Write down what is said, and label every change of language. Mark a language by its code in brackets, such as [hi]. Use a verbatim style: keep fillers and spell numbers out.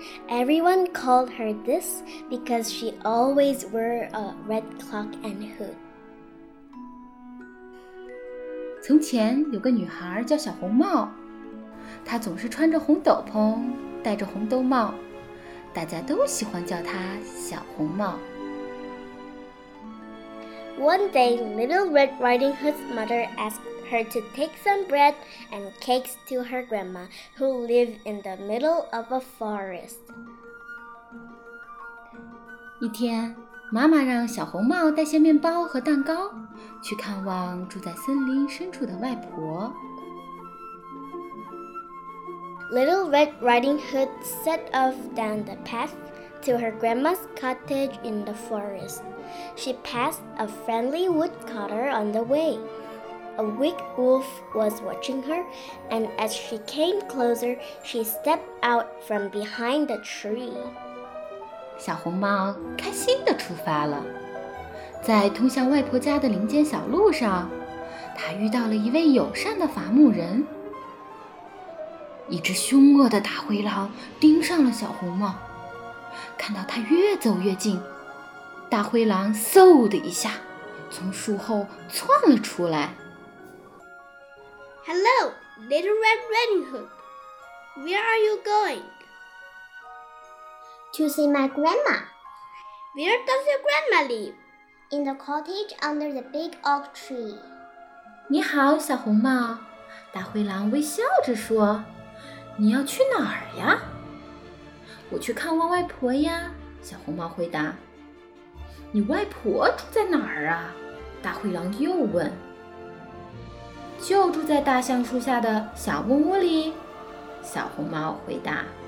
[en] Everyone called her this because she always wore a red cloak and hood. [zh] 从前有个女孩叫小红帽，她总是穿着红斗篷，戴着红兜帽，大家都喜欢叫她小红帽。 [en] One day, Little Red Riding Hood's mother asked her to take some bread and cakes to her grandma, who lived in the middle of a forest. [zh] 一天，妈妈让小红帽带些面包和蛋糕，去看望住在森林深处的外婆。 [en] Little Red Riding Hood set off down the path to her grandma's cottage in the forest. She passed a friendly woodcutter on the way. A big wolf was watching her, and as she came closer, she stepped out from behind the tree. [zh] 小红帽开心地出发了。在通向外婆家的林间小路上，她遇到了一位友善的伐木人。一只凶恶的大灰狼盯上了小红帽，看到她越走越近，大灰狼嗖的一下从树后窜了出来。 [en] Hello, Little Red Riding Hood. Where are you going? To see my grandma. Where does your grandma live? In the cottage under the big oak tree. [zh] 你好，小红帽。大灰狼微笑着说：“你要去哪儿呀？” 我去看望外婆呀，小红帽回答。你外婆住在哪儿啊？大灰狼又问。就住在大橡树下的小木屋里，小红帽回答。